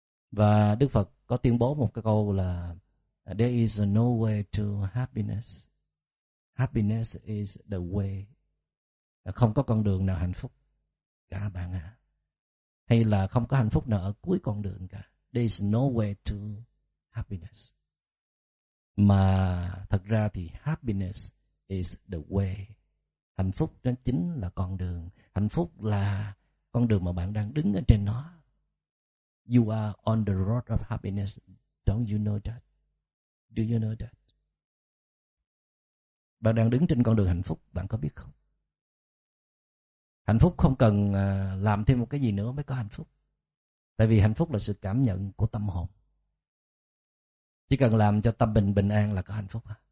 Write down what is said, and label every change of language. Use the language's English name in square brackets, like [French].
[Vietnamese] Và Đức Phật có tuyên bố một cái câu là [English] "There is no way to happiness. Happiness is the way." [Vietnamese] Không có con đường nào hạnh phúc cả bạn ạ. Hay là không có hạnh phúc nào ở cuối con đường cả. [English] There is no way to happiness. [Vietnamese] Mà thật ra thì [English] happiness is the way. [Vietnamese] Hạnh phúc nó chính là con đường. Hạnh phúc là con đường mà bạn đang đứng ở trên nó. [English] You are on the road of happiness. Don't you know that? Do you know that? [Vietnamese] Bạn đang đứng trên con đường hạnh phúc, bạn có biết không? Hạnh phúc không cần làm thêm một cái gì nữa mới có hạnh phúc. Tại vì hạnh phúc là sự cảm nhận của tâm hồn. Chỉ cần làm cho tâm mình bình an là có hạnh phúc.